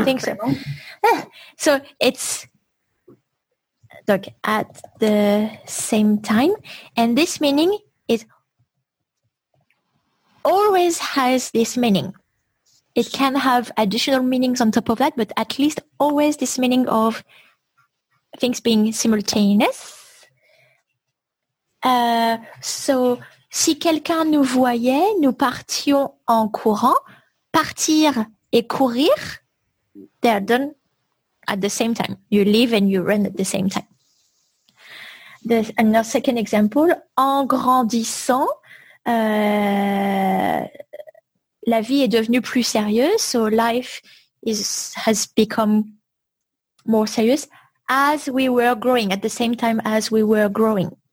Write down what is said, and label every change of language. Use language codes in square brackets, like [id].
[en] I think so. So it's like at the same time. And this meaning is always has this meaning. It can have additional meanings on top of that, but at least always this meaning of things being simultaneous. [fr] So, si quelqu'un nous voyait, nous partions en courant. Partir et courir, [en] they are done at the same time. You leave and you run at the same time. Another second example, [fr] en grandissant, la vie est devenue plus sérieuse, [en] so life has become more serious as we were growing, at the same time as we were growing.